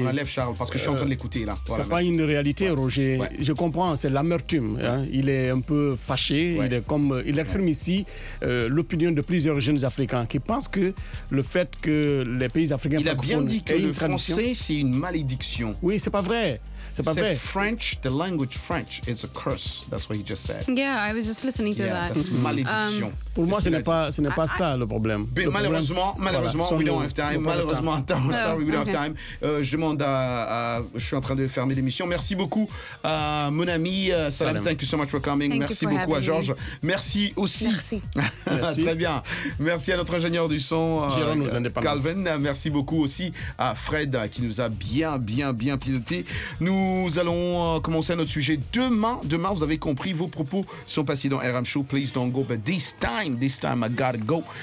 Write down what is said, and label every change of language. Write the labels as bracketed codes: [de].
[fr] On enlève Charles, parce que je suis en train de l'écouter là. Voilà, c'est pas une réalité, ouais. Roger. Ouais. Je comprends, c'est l'amertume. Ouais. Hein. Il est un peu fâché. Ouais. Il exprime ici l'opinion de plusieurs jeunes Africains qui pensent que le fait que les pays africains. Il a bien dit que le français, c'est une malédiction. Oui, c'est pas vrai. C'est pas vrai. [en] C'est French, the language French is a curse. That's what he just said. Yeah, I was just listening to that. That's malédiction. [fr] Pour moi, ce n'est pas ça le problème. [en] Malheureusement, we don't have time. [fr] Je demande à je suis en train de fermer l'émission. Merci beaucoup à mon ami Salam. [en] Thank you so much for coming. [fr] Merci beaucoup à Georges. Merci aussi. Merci. Très bien. Merci à notre ingénieur du son, Calvin. Merci beaucoup aussi à Fred qui nous a bien piloté. Nous allons commencer notre sujet demain. Demain, vous avez compris, vos propos sont passés dans RM Show. [en] Please don't go, but this time I gotta go.